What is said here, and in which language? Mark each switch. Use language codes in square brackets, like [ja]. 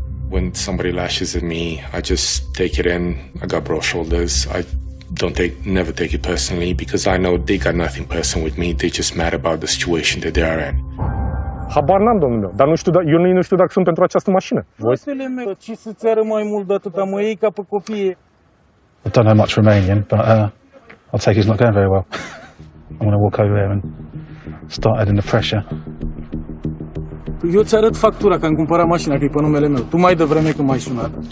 [en] When somebody lashes at me, I just take it in. I got broad shoulders. I never take it personally because I know they got nothing personal with me. They just mad about the situation that they are in. [ro] Habar n-am, domnul meu, dar nu știu dacă sunt pentru această mașină. Fratele meu, ce să-ți ară mai mult de atâta, mă iei ca pe copii. [en] I don't know much Romanian, but I'll take it's not going very well. I'm going to walk over there and start adding the pressure. [ro] Eu ți arăt factura că am cumpărat mașina, că e pe numele meu. Tu mai devreme când m-ai sunat.